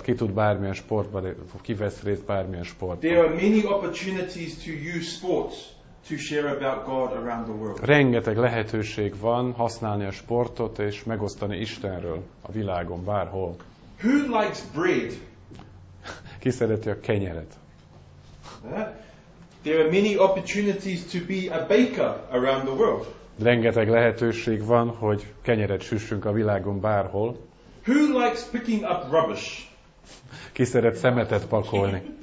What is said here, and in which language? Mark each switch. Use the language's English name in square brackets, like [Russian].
[Hungarian] Ki tud bármilyen sportban, ki vesz részt bármilyen sportban? [English] There are many opportunities to use sports to share about God around the world. [Hungarian] Rengeteg lehetőség van használni a sportot és megosztani Istenről a világon bárhol. [English] Who likes bread? [Hungarian] Ki szereti a kenyeret? [English] There are many opportunities to be a baker around the world. [Hungarian] Rengeteg lehetőség van, hogy kenyeret süssünk a világon bárhol. [English] Who likes picking up rubbish? [Hungarian] Ki szeret szemetet pakolni?